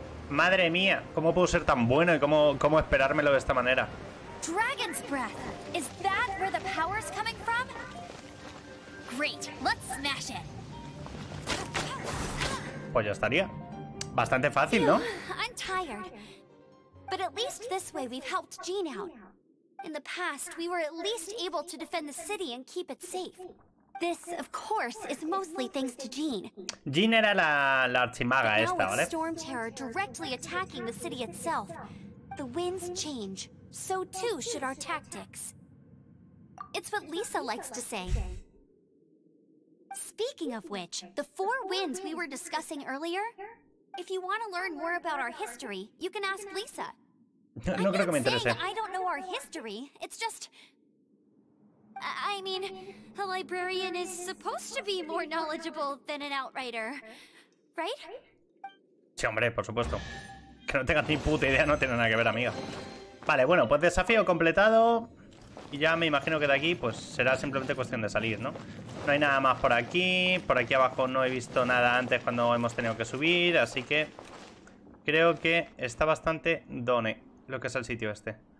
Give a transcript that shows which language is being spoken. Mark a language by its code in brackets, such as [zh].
[es] Madre mía, ¿cómo puedo ser tan bueno y cómo esperármelo de esta manera? [en] Dragon's breath. Is that where the power is coming from? Great, let's smash it. [es] Pues ya estaría. Bastante fácil, ¿no? [en] I'm tired. But at least this way we've helped Jean out. In the past, we were at least able to defend the city and keep it safe. This, of course, is mostly thanks to Jean. [es] Jean era la archimaga esta, ¿vale? [en] Storm terror directly attacking the city itself. The winds change, so too should our tactics. It's what Lisa likes to say. Speaking of which, the four winds we were discussing earlier? If you want to learn more about our history, you can ask Lisa. [es] No creo que me interese. [en] I don't know our history. It's just I mean, a librarian is supposed to be more knowledgeable than an outrider. Right? [es] Sí, hombre, por supuesto. Que no tengas ni puta idea no tiene nada que ver, amiga. Vale, bueno, pues desafío completado. Y ya me imagino que de aquí pues será simplemente cuestión de salir, ¿no? No hay nada más por aquí. Por aquí abajo no he visto nada antes cuando hemos tenido que subir. Así que creo que está bastante done lo que es el sitio este.